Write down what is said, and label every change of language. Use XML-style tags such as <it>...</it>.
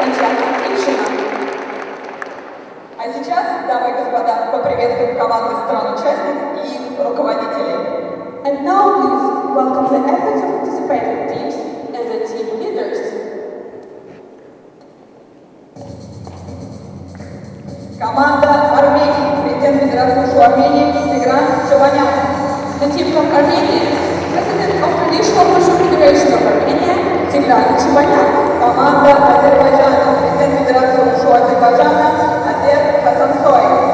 <ru>А сейчас, дамы и господа, поприветствуем команды стран-участниц и их руководителей.</ru> <en>And now please welcome the athletes of participating teams and the team leaders.</en> <ru>Команда Армении, президент Федерации Ушу Армении, Тигран Чабанян.</ru> <en>The team from Armenia, President of Traditional Ushu Federation of Armenia, Тигран Чабанян.</en> <ru>Команда Азербайджана, президент Федерации Ушу Азербайджана, Адер Хасансой.</ru>